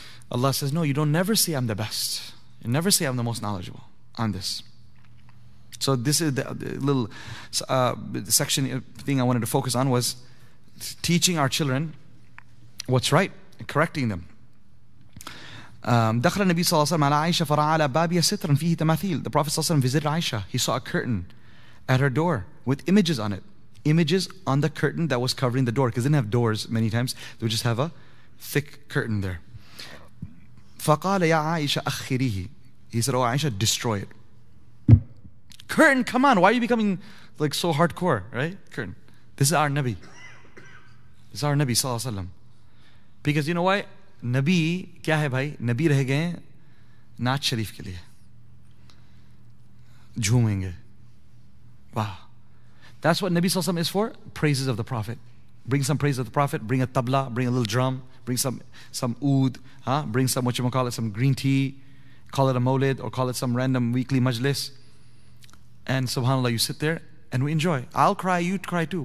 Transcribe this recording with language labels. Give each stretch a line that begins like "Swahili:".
English: Allah says, no, you don't never say I'm the best. You never say I'm the most knowledgeable on this. So this is the little section thing I wanted to focus on was teaching our children what's right and correcting them.
Arabic: دخل النبي صلى الله عليه وسلم على عائشة فرأى على بابها سترا فيه تماثيل.
English: The Prophet صلى الله عليه وسلم visited Aisha. He saw a curtain at her door with images on it. Images on the curtain that was covering the door, because they didn't have doors many times. They would just have a thick curtain there.
Arabic: فقال يا عائشة أخريه.
English: He said, "Oh Aisha, destroy it. Curtain, come on. Why are you becoming like so hardcore, right? Curtain. This is our Nabi. This is our Nabi صلى الله عليه وسلم. Because you know why?
Urdu: نبی، کیا ہے بھائی؟ نبی رہ گئے نعت شریف کے لیے۔ Jhoomenge.
English: Wow. That's what Nabi Sallallahu Alaihi Wasallam is for. Praises of the Prophet. Bring some praise of the Prophet. Bring a tabla. Bring a little drum. Bring some oud. Huh? Bring some, what you call it, some green tea. Call it a maulid or call it some random weekly majlis. And subhanAllah, you sit there and we enjoy. I'll cry, you'd cry too.